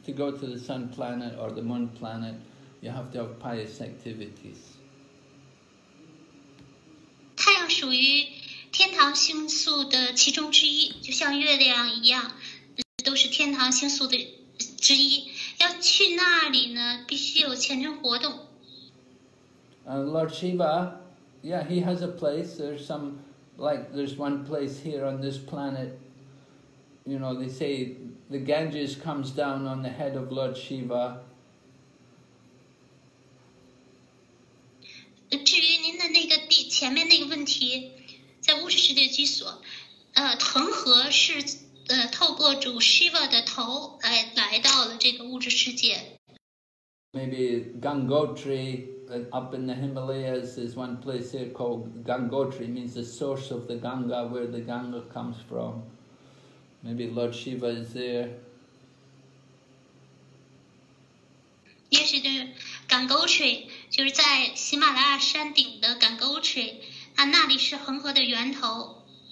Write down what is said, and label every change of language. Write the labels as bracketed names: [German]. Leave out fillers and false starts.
[English] To go to the sun planet or the moon planet, you have to have pious activities. [Chinese] 太阳属于天堂星宿的其中之一，就像月亮一样，都是天堂星宿的之一。要去那里呢，必须有虔诚活动。 [English] Lord Shiva, yeah, he has a place. There's some. Like there's one place here on this planet, you know, they say the Ganges comes down on the head of Lord Shiva. [Chinese] 至于您的那个第前面那个问题，在物质世界居所，恒河是透过主 Shiva 的头来到了这个物质世界。 [English] Maybe Gangotri. Up in the Himalayas is one place here called Gangotri, means the source of the Ganga, where the Ganga comes from. Maybe Lord Shiva is there. Yes, the Gangotri, [Chinese] 就是在喜马拉雅山顶的 Gangotri, 那里是恒河的源头。